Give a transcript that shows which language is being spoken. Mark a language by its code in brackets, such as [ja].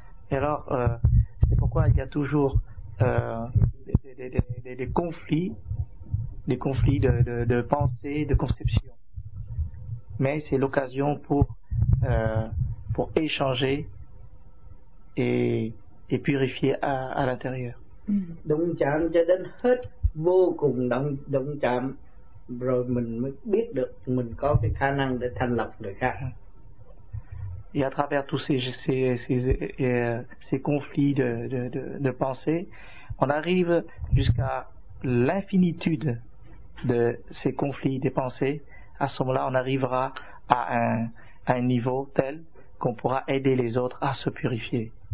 [fr] Et alors, c'est pourquoi il y a toujours des conflits. Des conflits de pensée, de conception. Mais c'est l'occasion pour échanger et purifier à l'intérieur. [vi] Đụng chạm cho đến hết vô cùng đụng chạm rồi mình mới biết được mình có cái khả năng để thanh lọc người khác. [fr] Et à travers tous ces conflits de pensée, on arrive jusqu'à l'infinitude de ces conflits des pensées. À ce moment-là, on arrivera à un niveau tel qu'on pourra aider les autres à se purifier.